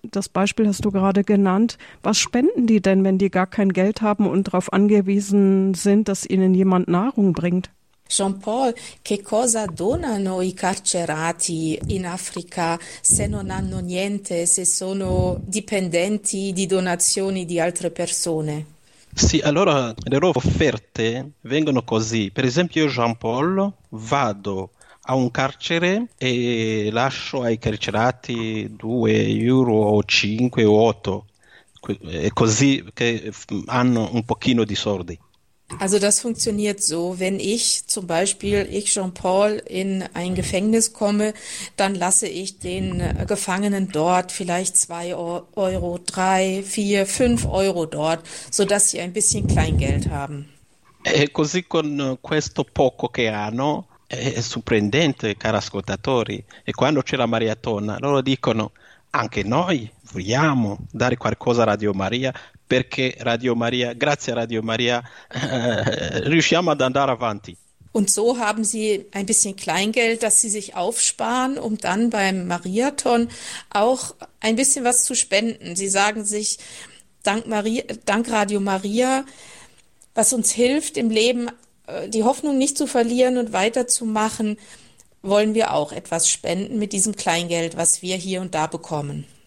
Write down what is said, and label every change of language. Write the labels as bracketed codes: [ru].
[de] Das Beispiel hast du gerade genannt. Was spenden die denn, wenn die gar kein Geld haben und darauf angewiesen sind, dass ihnen jemand Nahrung bringt? [it] Jean-Paul, che cosa donano i carcerati in Africa se non hanno niente, se sono dipendenti di donazioni di altre persone? Sì, allora le loro offerte vengono così. Per esempio, io, Jean Paul, vado a un carcere e lascio ai carcerati 2 euro o 5 o 8, è così che hanno un pochino di soldi. [de] Also das funktioniert so, wenn ich zum Beispiel, ich Jean-Paul, in ein Gefängnis komme, dann lasse ich den Gefangenen dort vielleicht 2 Euro, 3, 4, 5 Euro dort, sodass sie ein bisschen Kleingeld haben. [it] E così con questo poco che hanno, è sorprendente, cari ascoltatori, e quando c'è la maratona, loro dicono, anche noi vogliamo dare qualcosa a Radio Maria, perché Radio Maria, grazie a Radio Maria, riusciamo ad andare avanti. [de] Und so haben Sie ein bisschen Kleingeld, das Sie sich aufsparen, um dann beim Marathon auch ein bisschen was zu spenden. Sie sagen sich, dank Radio Maria, was uns hilft im Leben, die Hoffnung nicht zu verlieren und weiterzumachen, wollen wir auch etwas spenden mit diesem Kleingeld, was wir hier und da bekommen.